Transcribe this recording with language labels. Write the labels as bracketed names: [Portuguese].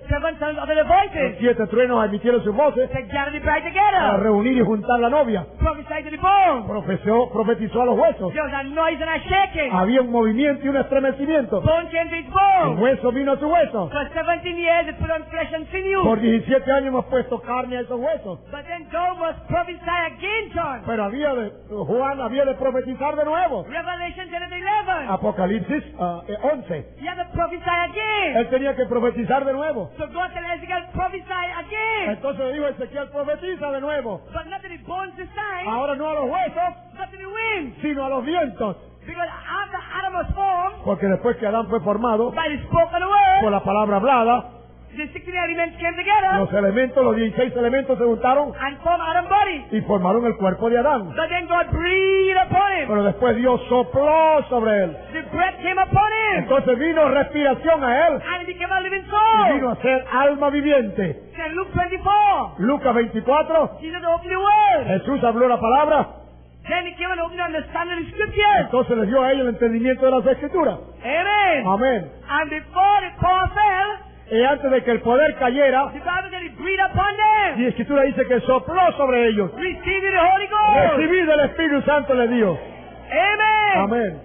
[English] 7 sounds of the voices. [Spanish] Los 7 truenos emitieron sus voces. [English] To gather the bride together. [Spanish] Para reunir y juntar la novia. [English] Prophesy to the bones. [Spanish] Profetizó a los huesos. [English] There was a noise and a shaking. [Spanish] Había un movimiento y un estremecimiento. [English] Bone came to its bone. [Spanish] El hueso vino a su hueso. [English] For 17 years it put on flesh and sinew. [Spanish] Por 17 años hemos puesto carne a esos huesos. [English] But then John was prophesied again, John. [Spanish] Pero Juan había de profetizar de nuevo. [English] Revelation 11. [Spanish] Apocalipsis 11. [English] He had to prophesy again. [Spanish] Él tenía que profetizar de nuevo. [English] So God said, Ezekiel, prophesy again. [Spanish] Entonces dijo Ezequiel, profetiza de nuevo. [English] But not to the bones this time. [Spanish] Ahora no a los huesos. [English] But to the wind. [Spanish] Sino a los vientos. [English] Because after Adam was formed. [Spanish] Porque después que Adán fue formado. [English] By the spoken word. [Spanish] Por la palabra hablada. [English] The 16 elements came together. [Spanish] Los 16 elementos se juntaron. [English] And formed Adam's body. [Spanish] Y formaron el cuerpo de Adán. [English] But then God breathed upon him. [Spanish] Pero después Dios sopló sobre él. [English] The breath came upon him. [Spanish] Entonces vino respiración a él. [English] And he became a living soul. [Spanish] Y vino a ser alma viviente. [English] Then Luke 24. [Spanish] Lucas 24. [English] He said, "Open the word." [Spanish] Jesús habló la palabra. [English] Then he came and opened the understanding of the scriptures. [Spanish] Entonces les dio a él el entendimiento de las escrituras. [English] Amen. [Spanish] Amen. [English] And before the power fell. [Spanish] Y antes de que el poder cayera, y la Escritura dice que sopló sobre ellos, recibí del Espíritu Santo, le dio. Amén.